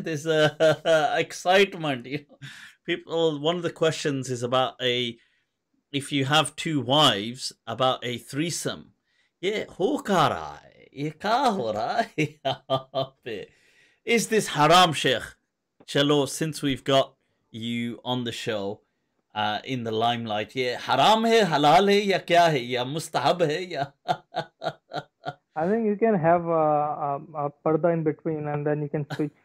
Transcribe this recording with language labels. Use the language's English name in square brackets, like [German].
[English] There's a excitement. You know? People. One of the questions is about if you have two wives, about a threesome. [Urdu] Yeah, ہو کر رہا ہے؟ یہ کا ہو رہا ہے یہاں پہ؟ [English] Is this haram, Sheikh? Chalo, since we've got you on the show, in the limelight, yeah, [Urdu] حرام ہے، حلال ہے، یا [English] کیا ہے، یا مستحب ہے، یا۔ I think you can have a parda in between and then you can switch.